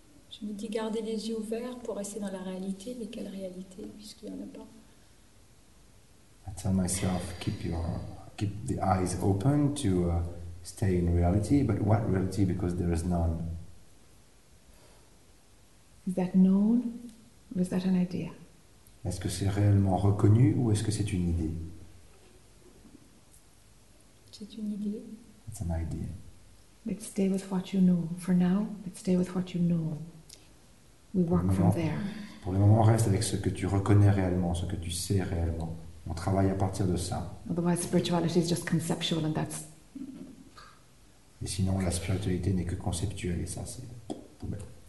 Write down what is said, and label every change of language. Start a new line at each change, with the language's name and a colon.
French: Je me dis garder les yeux ouverts pour rester dans la réalité, mais quelle réalité, puisqu'il n'y en a pas.
English: Tell myself, keep the eyes open to stay in reality, but what reality? Because there is none. Is that known, or is that an idea?
French: Est-ce que c'est réellement reconnu, ou est-ce que c'est une idée? C'est une idée.
English: It's an idea. Let's stay with what you know. For now, let's stay with what you know. We work from there.
French: Pour le moment, reste avec ce que tu reconnais réellement, ce que tu sais réellement. On travaille à partir de ça.
English: Otherwise, spirituality is just conceptual, and that's...
French: Et sinon, la spiritualité n'est que conceptuelle, et ça, c'est poubelle.